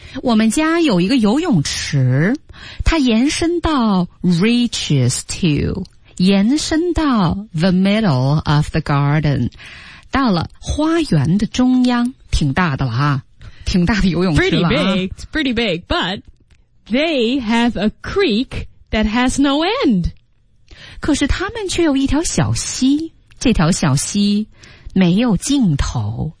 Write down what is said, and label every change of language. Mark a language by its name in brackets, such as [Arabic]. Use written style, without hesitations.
[Chinese] 我们家有一个游泳池，它延伸到 [English] reaches to, [Chinese] 延伸到 [English] the middle of the garden. [Chinese] 到了花园的中央，挺大的了啊，挺大的游泳池了啊。 [English] Pretty big, it's pretty big, but they have a creek that has no end. [Chinese] 可是他们却有一条小溪，这条小溪没有尽头。